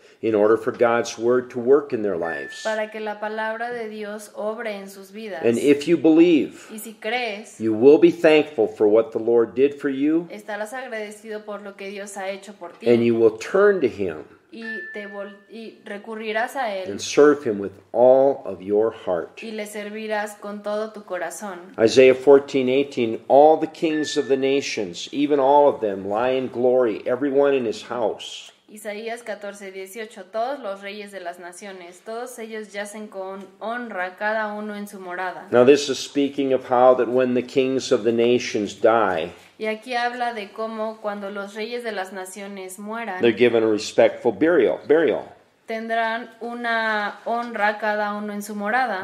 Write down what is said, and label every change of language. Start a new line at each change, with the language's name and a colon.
English: In order for God's word to work in their lives.
Spanish: Para que la palabra de Dios obre en sus vidas.
English: And if you believe.
Spanish: Y si crees.
English: You will be thankful for what the Lord did for you.
Spanish: Estarás agradecido por lo que Dios ha hecho por ti.
English: And you will turn to Him.
Spanish: Y recurrirás a Él.
English: And serve Him with all of your heart.
Spanish: Y le servirás con todo tu corazón.
English: Isaiah 14:18, all the kings of the nations, even all of them, lie in glory, everyone in his house.
Spanish: Isaías 14:18, todos los reyes de las naciones, todos ellos yacen con honra, cada uno en su morada.
English: Now this is speaking of how that when the kings of the nations die.
Spanish: Y aquí habla de cómo cuando los reyes de las naciones mueran.
English: They're given a respectful burial.
Spanish: Tendrán una honra cada uno en su morada.